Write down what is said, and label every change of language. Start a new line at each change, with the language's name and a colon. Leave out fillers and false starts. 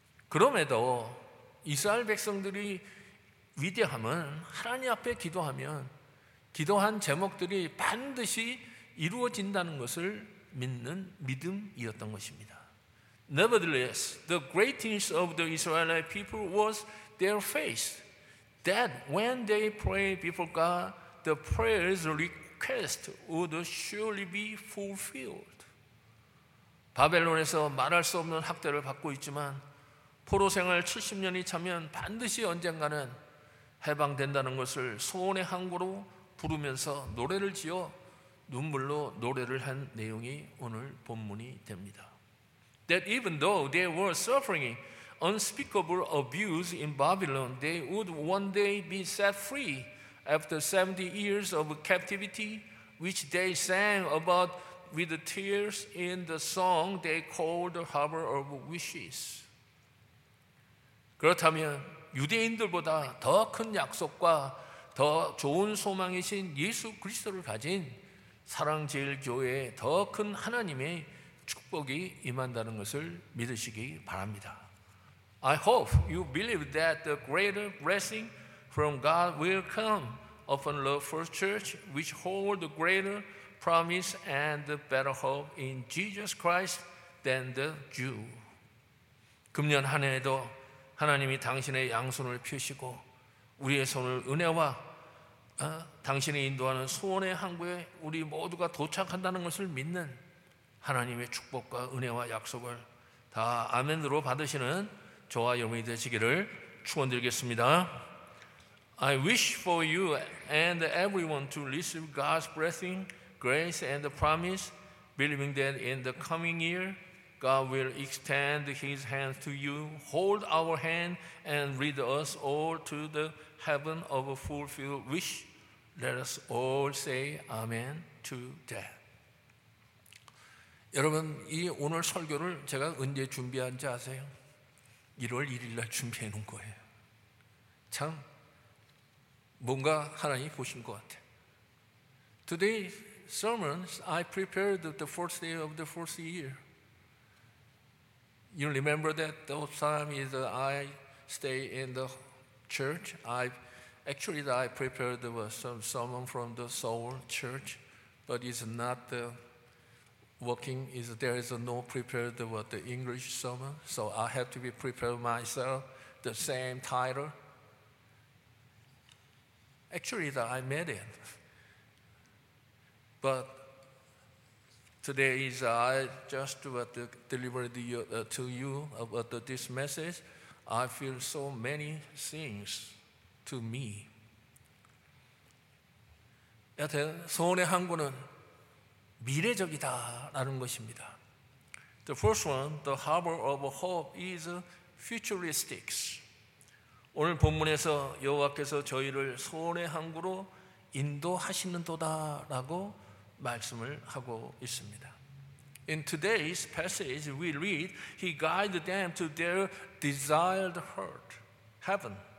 Korean: 그럼에도 이스라엘 백성들이 위대함은 하나님 앞에 기도하면 기도한 제목들이 반드시 이루어진다는 것을 믿는 믿음이었던 것입니다.
English: Nevertheless, the greatness of the Israelite people was their faith that when they prayed before God, the prayer's request would surely be fulfilled.
Korean: 바벨론에서 말할 수 없는 학대를 받고 있지만 포로 생활 70년이 차면 반드시 언젠가는 해방된다는 것을 소원의 항구로 부르면서 노래를 지어 눈물로 노래를 한 내용이 오늘 본문이 됩니다.
English: That even though they were suffering unspeakable abuse in Babylon, they would one day be set free after 70 years of captivity, which they sang about with tears in the song they called the Harbor of Wishes.
Korean: 그렇다면 유대인들보다 더 큰 약속과 더 좋은 소망이신 예수 그리스도를 가진 사랑제일교회의 더 큰 하나님의 축복이 임한다는 것을 믿으시기 바랍니다.
English: I hope you believe that the greater blessing from God will come upon the first church which holds the greater promise and better hope in Jesus Christ than the Jew.
Korean: 금년 한 해에도 하나님이 당신의 양손을 펴시고 우리의 손을 은혜와 당신이 인도하는 소원의 항구에 우리 모두가 도착한다는 것을 믿는 하나님의 축복과 은혜와 약속을 다 아멘으로 받으시는 저와 여러분이 되시기를 축원드리겠습니다.
English: I wish for you and everyone to receive God's blessing, grace and promise, believing that in the coming year, God will extend his hand to you, hold our hand and lead us all to the heaven of a fulfilled wish. Let us all say amen to that.
Korean: 여러분, 이 오늘 설교를 제가 언제 준비한지 아세요? 1월 1일 날 준비해 놓은 거예요. 참 뭔가 하나님이 보신 것 같아요.
English: Today's sermon I prepared the first day of the first year. You remember that the time is I stay in the church. I prepared some sermon from the Seoul church, but it's not the working. Is there is no prepared what the English sermon, so I have to be prepared myself. The same title. Actually, I made it. But today is I just delivered to you about this message. I feel so many things to me.
Korean: 여튼 소원의 한 권은 미래적이다라는 것입니다.
English: The first one, the harbor of hope, is futuristic.
Korean: 오늘 본문에서 여호와께서 저희를 소원의 항구로 인도하시는도다라고 말씀을 하고 있습니다.
English: In today's passage, we read, He guided them to their desired heart, heaven.